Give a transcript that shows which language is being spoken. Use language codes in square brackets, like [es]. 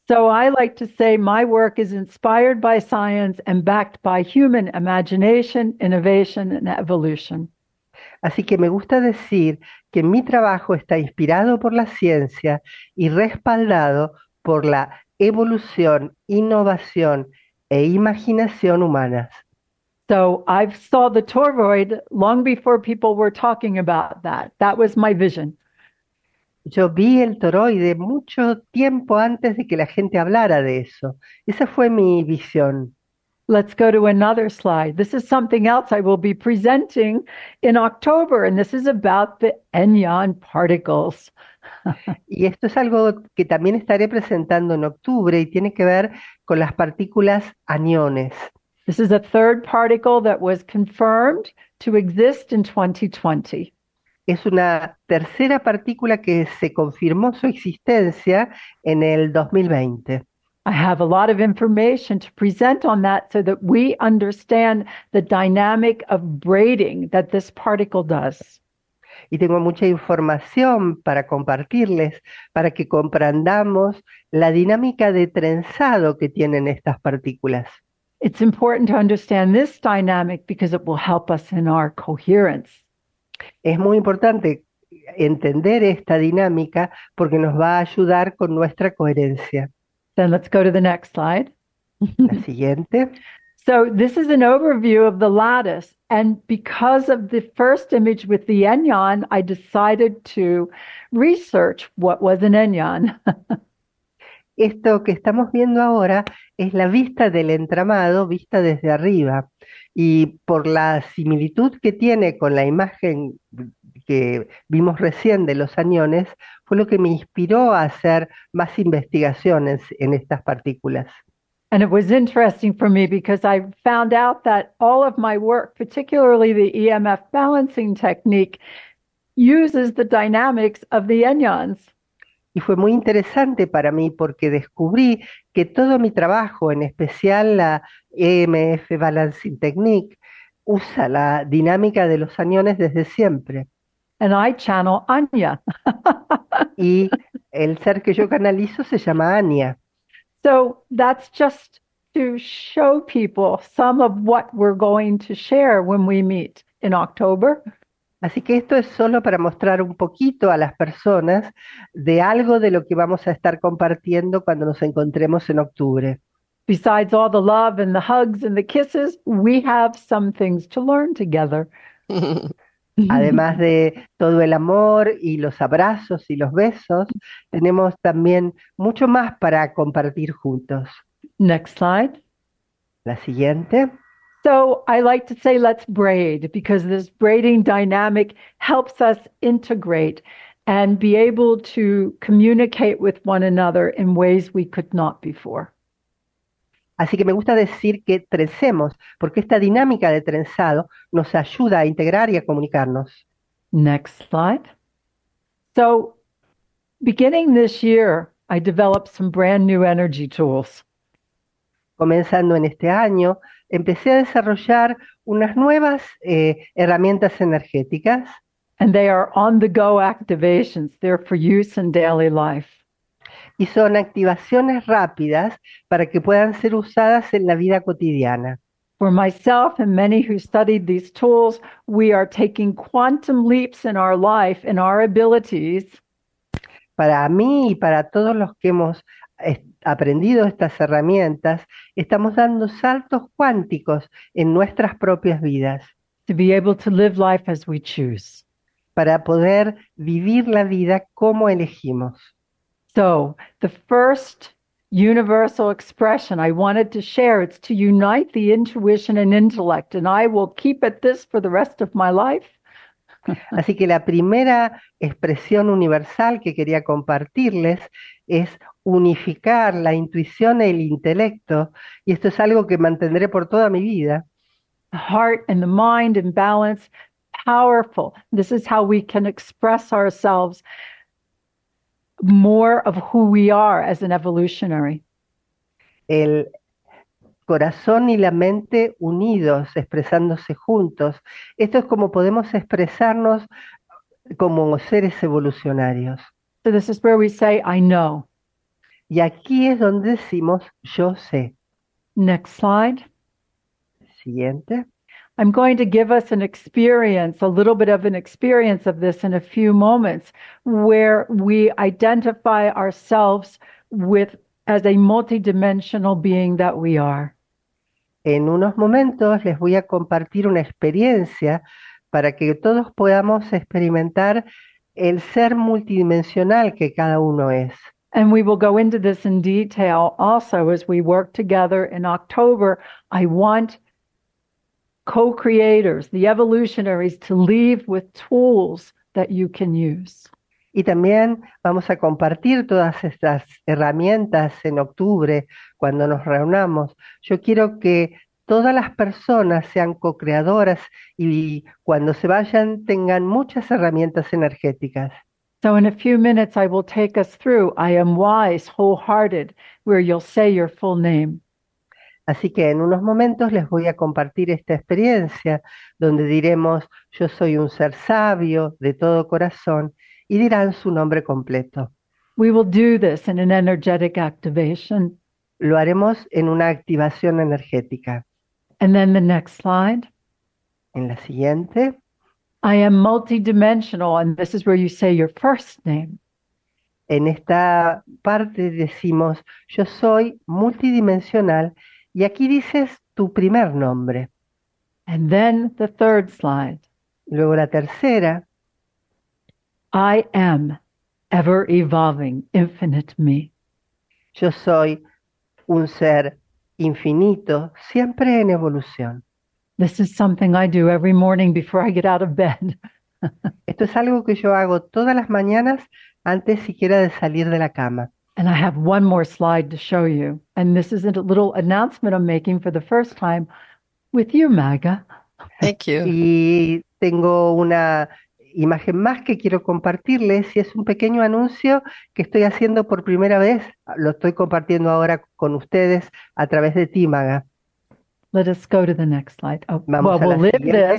[en] So I like to say my work is inspired by science and backed by human imagination, innovation, and evolution. [es] Así que me gusta decir que mi trabajo está inspirado por la ciencia y respaldado por la evolución, innovación e imaginación humanas. [en] So I've saw the toroid long before people were talking about that. That was my vision. [es] Yo vi el toroide mucho tiempo antes de que la gente hablara de eso. Esa fue mi visión. [en] Let's go to another slide. This is something else I will be presenting in October, and this is about the Enyan particles. [es] Y esto es algo que también estaré presentando en octubre y tiene que ver con las partículas aniones. [en] This is a third particle that was confirmed to exist in 2020. [es] Es una tercera partícula que se confirmó su existencia en el 2020. [en] I have a lot of information to present on that so that we understand the dynamic of braiding that this particle does. [es] Y tengo mucha información para compartirles, para que comprendamos la dinámica de trenzado que tienen estas partículas. [en] It's important to understand this dynamic because it will help us in our coherence. [es] Es muy importante entender esta dinámica porque nos va a ayudar con nuestra coherencia. [en] Then let's go to the next slide. [es] La siguiente. [en] So this is an overview of the lattice, and because of the first image with the Enyan, I decided to research what was an Enyan. [es] Esto que estamos viendo ahora es la vista del entramado vista desde arriba. Y por la similitud que tiene con la imagen que vimos recién de los aniones, fue lo que me inspiró a hacer más investigaciones en estas partículas. [en] And it was interesting for me because I found out that all of my work, particularly the EMF balancing technique, uses the dynamics of the Enyans. [es] Y fue muy interesante para mí porque descubrí que todo mi trabajo, en especial la EMF Balancing Technique, usa la dinámica de los aniones desde siempre. [en] And I channel Anya. [es] Y el ser que yo canalizo se llama Anya. [en] So that's just to show people some of what we're going to share when we meet in October. [es] Así que esto es solo para mostrar un poquito a las personas de algo de lo que vamos a estar compartiendo cuando nos encontremos en octubre. [en] Besides all the love and the hugs and the kisses, we have some things to learn together. [es] Además de todo el amor y los abrazos y los besos, tenemos también mucho más para compartir juntos. [en] Next slide. [es] La siguiente. [en] So I like to say let's braid because this braiding dynamic helps us integrate and be able to communicate with one another in ways we could not before. [es] Así que me gusta decir que trencemos, porque esta dinámica de trenzado nos ayuda a integrar y a comunicarnos. [en] Next slide. So beginning this year, I developed some brand new energy tools. [es] Comenzando en este año, empecé a desarrollar unas nuevas herramientas energéticas. [en] And they are on-the-go activations. They're for use in daily life. [es] Y son activaciones rápidas para que puedan ser usadas en la vida cotidiana. [en] For myself and many who studied these tools, we are taking quantum leaps in our life, in our abilities. [es] Para mí y para todos los que hemos aprendido estas herramientas, estamos dando saltos cuánticos en nuestras propias vidas. [en] To be able to live life as we choose. [es] Para poder vivir la vida como elegimos. [en] So, the first universal expression I wanted to share, it's to unite the intuition and intellect, and I will keep at this for the rest of my life. [es] Así que la primera expresión universal que quería compartirles es unificar la intuición e el intelecto, y esto es algo que mantendré por toda mi vida. [en] The heart and the mind in balance, powerful. This is how we can express ourselves more of who we are as an evolutionary. [es] El corazón y la mente unidos, expresándose juntos. Esto es como podemos expresarnos como seres evolucionarios. [en] So this is where we say, I know. [es] Y aquí es donde decimos, yo sé. [en] Next slide. [es] Siguiente. [en] I'm going to give us an experience, a little bit of an experience of this in a few moments, where we identify ourselves with as a multidimensional being that we are. [es] En unos momentos les voy a compartir una experiencia para que todos podamos experimentar el ser multidimensional que cada uno es. [en] And we will go into this in detail also as we work together in October. I want co-creators, the evolutionaries, to leave with tools that you can use. [es] Y también vamos a compartir todas estas herramientas en octubre cuando nos reunamos. Yo quiero que todas las personas sean co-creadoras y cuando se vayan tengan muchas herramientas energéticas. [en] So in a few minutes I will take us through I am wise, wholehearted, where you'll say your full name. [es] Así que en unos momentos les voy a compartir esta experiencia donde diremos yo soy un ser sabio de todo corazón y dirán su nombre completo. [en] We will do this in an energetic activation. [es] Lo haremos en una activación energética. [en] And then the next slide. [es] En la siguiente. [en] I am multidimensional, and this is where you say your first name. [es] En esta parte decimos yo soy multidimensional. Y aquí dices tu primer nombre. [en] And then the third slide. [es] Luego la tercera. [en] I am ever evolving, infinite me. [es] Yo soy un ser infinito, siempre en evolución. [en] This is something I do every morning before I get out of bed. [es] Esto es algo que yo hago todas las mañanas antes siquiera de salir de la cama. [en] And I have one more slide to show you. And this is a little announcement I'm making for the first time with you, Magga. Thank you. [es] Y tengo una imagen más que quiero compartirles y es un pequeño anuncio que estoy haciendo por primera vez. Lo estoy compartiendo ahora con ustedes a través de ti, Magga. [en] Let us go to the next slide. Oh, [es] vamos [en] well, [es] a la [en] we'll live [es] siguiente.